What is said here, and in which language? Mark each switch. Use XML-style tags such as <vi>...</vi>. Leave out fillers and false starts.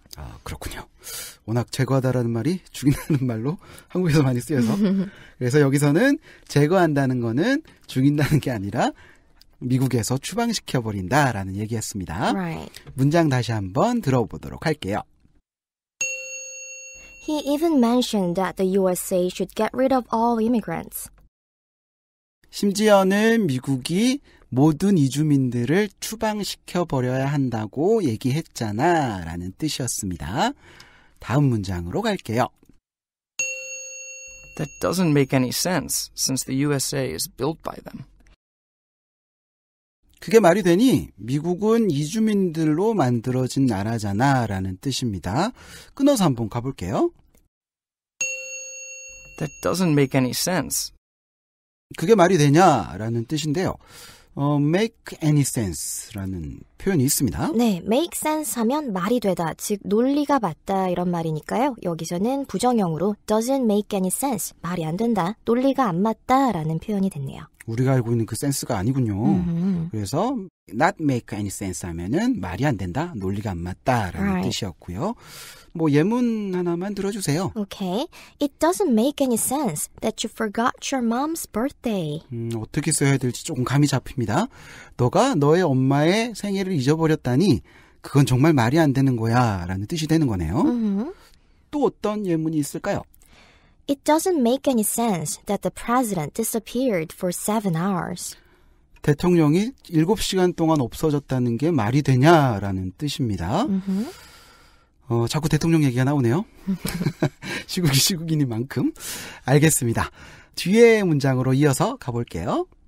<ko>아, 그렇군요. 워낙 제거하다라는 말이 죽인다는 말로 한국에서 많이 쓰여서 그래서 여기서는 제거한다는 거는 죽인다는 게 아니라 미국에서 추방시켜버린다라는 얘기였습니다.</ko> <en>Right.</en> <ko>문장 다시 한번 들어보도록 할게요.</ko> <en>He even mentioned that the USA should get rid of all immigrants.</en> <ko>심지어는 미국이 모든 이주민들을 추방시켜버려야 한다고 얘기했잖아 라는 뜻이었습니다. 다음 문장으로 갈게요.</ko> <en>That doesn't make any sense since the USA is built by them.</en> <ko>그게 말이 되니? 미국은 이주민들로 만들어진 나라잖아 라는 뜻입니다. 끊어서 한번 가볼게요.</ko> <en>That doesn't make any sense.</en> <ko>그게 말이 되냐? 라는 뜻인데요. Make any sense라는 표현이 있습니다. 네, make sense 하면 말이 되다, 즉 논리가 맞다 이런 말이니까요. 여기서는 부정형으로 doesn't make any sense, 말이 안 된다, 논리가 안 맞다 라는 표현이 됐네요. 우리가 알고 있는 그 센스가 아니군요. 그래서 not make any sense 하면은 말이 안 된다, 논리가 안 맞다 라는 right. 뜻이었고요. 뭐 예문 하나만 들어주세요.</ko> <en>Okay. It doesn't make any sense that you forgot your mom's birthday.</en> <ko>어떻게 써야 될지 조금 감이 잡힙니다. 너가 너의 엄마의 생일을 잊어버렸다니 그건 정말 말이 안 되는 거야 라는 뜻이 되는 거네요. Mm-hmm. 또 어떤 예문이 있을까요?</ko> <en>It doesn't make any sense that the president disappeared for 7 hours.</en> <ko>대통령이 7시간 동안 없어졌다는 게 말이 되냐 라는 뜻입니다. Mm-hmm. 자꾸 대통령 얘기가 나오네요. 시국이 시국이니 만큼. 알겠습니다. 뒤에 문장으로 이어서 가볼게요.</ko>